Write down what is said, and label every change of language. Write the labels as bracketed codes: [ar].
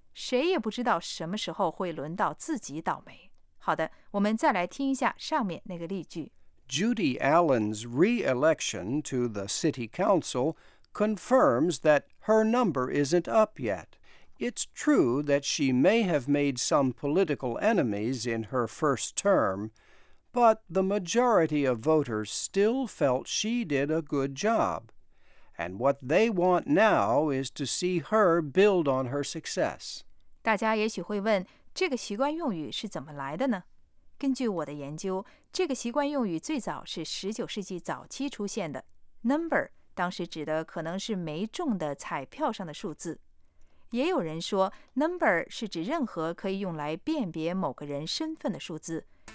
[zh] 谁也不知道什么时候会轮到自己倒霉。好的，我们再来听一下上面那个例句。 [en] Judy Allen's re-election to the city council confirms that her number isn't up yet. It's true that she may have made some political enemies in her first term, but the majority of voters still felt she did a good job. And what they want now is to see her build on her success. [zh] 大家也许会问，这个习惯用语是怎么来的呢？根据我的研究，这个习惯用语最早是19世纪早期出现的。 Number 当时指的可能是没中的彩票上的数字。也有人说 ，number 是指任何可以用来辨别某个人身份的数字。